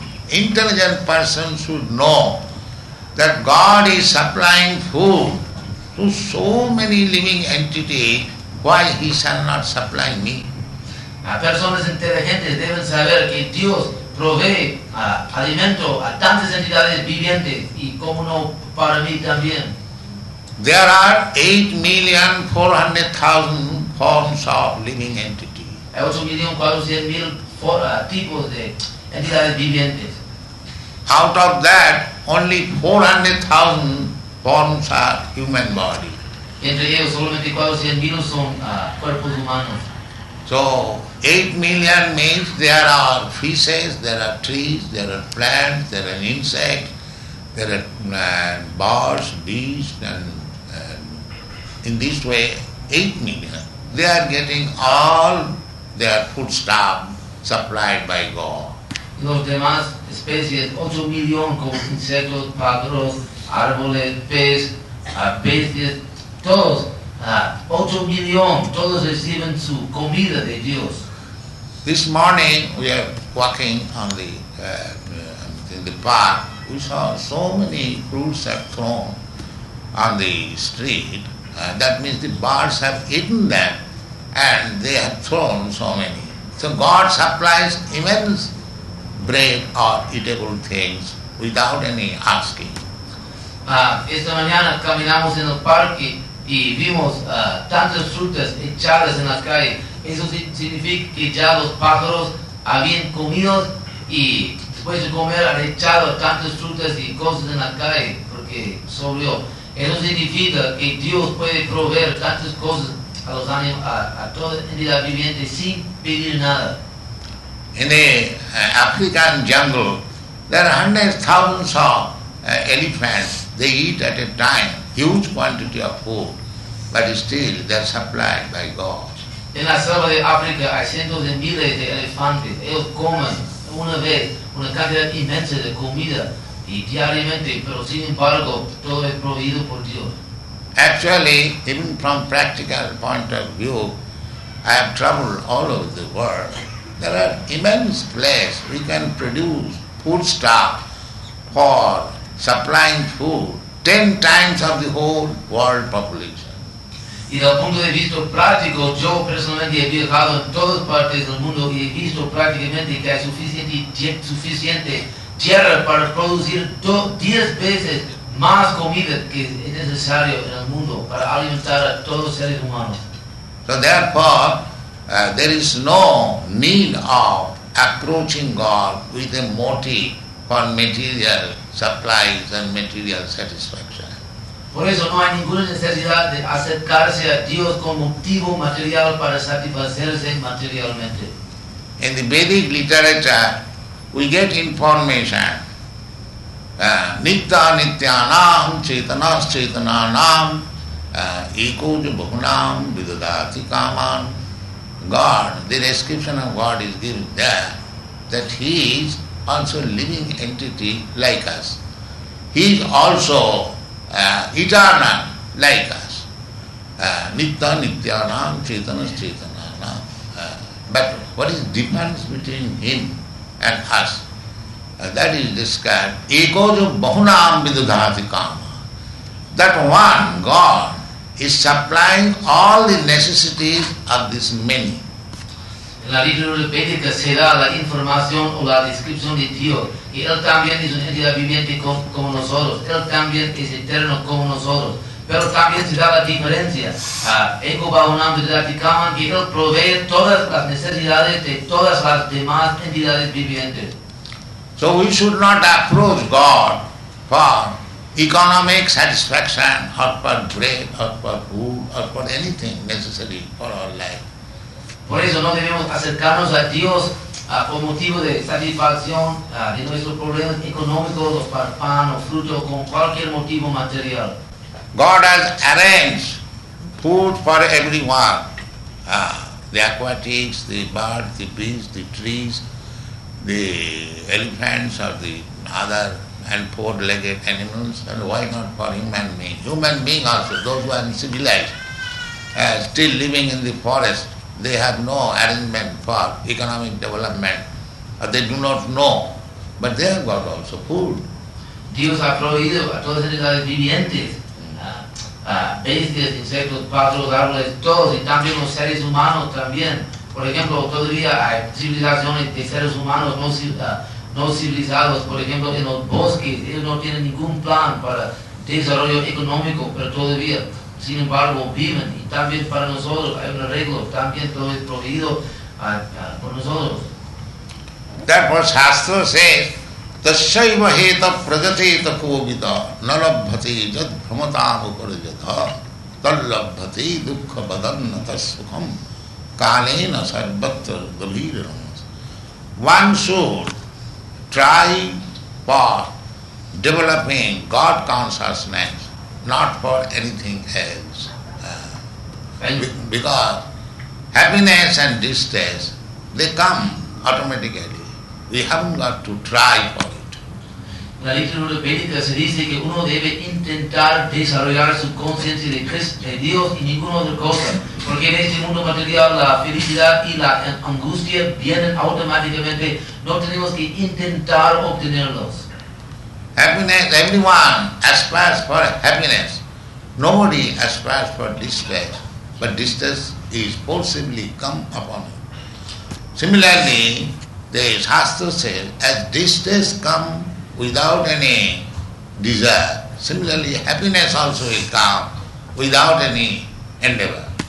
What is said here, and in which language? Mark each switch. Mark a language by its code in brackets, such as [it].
[en] Intelligent person should know that God is supplying food to so many living entities, why he shall not supply me? [es] Personas inteligentes deben saber que Dios provee alimento a tantas entidades vivientes y como no para mí también. [en] There are 8,400,000 forms of living entities. [es] Hay 8,400,000 tipos de entidades vivientes. [en] Out of that, only 400,000 forms are human body. [es] Entre ellos solamente 400 mil son cuerpos humanos. [en] So 8 million means there are fishes, there are trees, there are plants, there are insects, there are birds, bees, and in this way 8 million. They are getting all their foodstuff supplied by God. [es] Los demás especies, [en] 8 million [es] como insectos, pájaros, árboles, peces, bestias, todos. [en] 8 million, [es] todos reciben su comida de Dios. [en] This morning we are walking on the in the park. We saw so many fruits have thrown on the street. That means the birds have eaten them and they have thrown so many. So God supplies immense bread or eatable things without any asking. [es] Esta mañana caminamos en el parque y vimos tantas frutas echadas en las calles. Eso significa que ya los pájaros habían comido y después de comer han echado tantas frutas y cosas en la calle porque sobrió. Eso significa que Dios puede proveer tantas cosas a los animales, a toda entidad viviente sin pedir nada. [en] In the African jungle, there are hundreds of thousands of elephants. They eat at a time huge quantity of food, but still they are supplied by God. [es] En la selva de África hay cientos de miles de elefantes. Ellos comen una vez una cantidad inmensa de comida y diariamente, pero sin embargo todo es proveído por Dios. [en] Actually, even from practical point of view, I have traveled all over the world. There are immense places we can produce foodstuff for supplying food 10 times of the whole world population. [es] Y desde el punto de vista práctico, yo personalmente he viajado en todas partes del mundo y he visto prácticamente que hay suficiente tierra para producir 10 veces más comida que es necesario en el mundo para alimentar a todos los seres humanos. [en] So therefore, there is no need of approaching God with a motive for material supplies and material satisfaction. [es] Por eso no hay ninguna necesidad de acercarse a Dios con motivo material para satisfacerse materialmente. [en] In the Vedic literature, we get information. [sa] Nitya nityanam chetanas chetananam ekuj bhunam vidadati kaman. [en] God, the description of God is given there, that He is also a living entity like us. He is also eternal, like us. [sa] Nitya, nityanam, chetanas, chetananam. [en] But what is the difference between Him and us? That is described, [sa] ekojo bahunam vidudhati kama. [en] That one, God, is supplying all the necessities of this many. [es] En la literatura védica se da la información o la descripción de Dios. Y Él también es una entidad viviente como nosotros. Él también es eterno como nosotros. Pero también se da la diferencia. [sa] Ego Bahunam Vidati Kaman, [es] que Él provee todas las necesidades de todas las demás entidades vivientes. [en] So we should not approach God for economic satisfaction, or for bread, or for food, or for anything necessary for our life. [es] Por eso no debemos acercarnos a Dios por motivo de satisfacción de nuestros problemas económicos, para pan o fruto, con cualquier motivo material. [en] God has arranged food for everyone. The aquatics, the birds, the bees, the trees, the elephants or the other and four-legged animals, and why not for human being? Human being also, those who are uncivilized, still living in the forest, they have no arrangement for economic development, or they do not know, but they have got also food. [es] Dios ha proveído a todas entidades vivientes, bestias, insectos, pájaros, árboles, todos, y también los seres humanos también. Por ejemplo, todavía hay civilizaciones de seres humanos no civilizados, por ejemplo, en los bosques. Ellos no tienen ningún plan para desarrollo económico, pero todavía, sin embargo, viven. Y también para nosotros hay un arreglo, también todo es proveído por nosotros. [en] That what Shastra says, [sa] tasyaiva heta prajateta kovita nalabhati jad bhramatam uparajadha tallabhati dukkha badannata sukham kalena sarvatra galiram. [en] One should try for developing God consciousness, not for anything else. Because happiness and distress, they come automatically. We haven't got to try for it. [es] La letra de Vedica se dice que uno debe intentar desarrollar su conciencia de Cristo, de Dios y ninguna otra cosa. Porque en este mundo material la felicidad y la angustia vienen automáticamente. No tenemos que intentar obtenerlos. [en] Happiness, everyone aspires for happiness. Nobody aspires for distress. But distress is forcibly come upon him. Similarly, the Shastra says, as distress come without any desire, similarly happiness also will come without any endeavor.